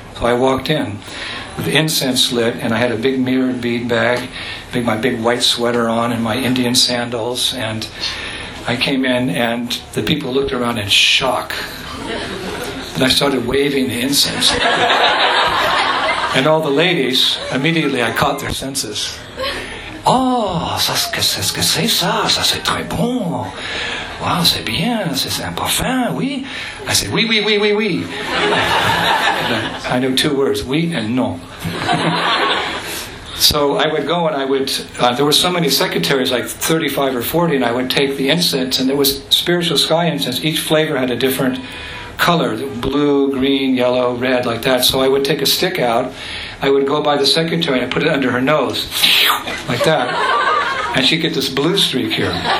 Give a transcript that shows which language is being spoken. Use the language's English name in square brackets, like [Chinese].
[English] So I walked in with incense lit, and I had a big mirrored bead bag, my big white sweater on, and my Indian sandals, and I came in, and the people looked around in shock. And I started waving the incense. And all the ladies, immediately I caught their senses. [French] Oh, ça, qu'est-ce que c'est ça? Ça, c'est très bon. Wow, c'est bien. C'est un parfum, oui. [English] I said, [French] oui, oui, oui, oui, oui. [English] I know two words, oui and non. So I would go, and I would, there were so many secretaries, like 35 or 40, and I would take the incense, and there was spiritual sky incense. Each flavor had a different color, blue, green, yellow, red, like that. So I would take a stick out, I would go by the secretary and I put it under her nose, like that, and she'd get this blue streak here.